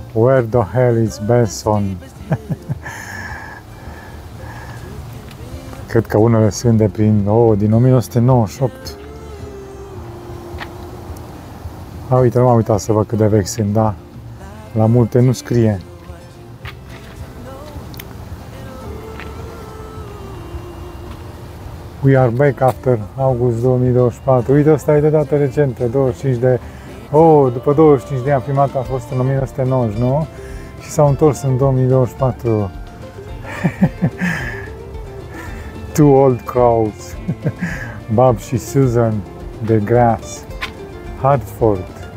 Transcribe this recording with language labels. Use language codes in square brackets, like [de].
[en] Where the hell is Benson? [ro] Cred că unele sunt de prin din 1998. A, uite, nu m-am uitat să văd cât de vechi sunt, da? La multe nu scrie. [en] We are back after August 2024. [ro] Uite, ăsta e de dată recentă, 25 de... după 25 de ani, prima dată a fost în 1999 și s-au întors în 2024. [en] Two old crows, Bob și Susan de Grass, Hartford.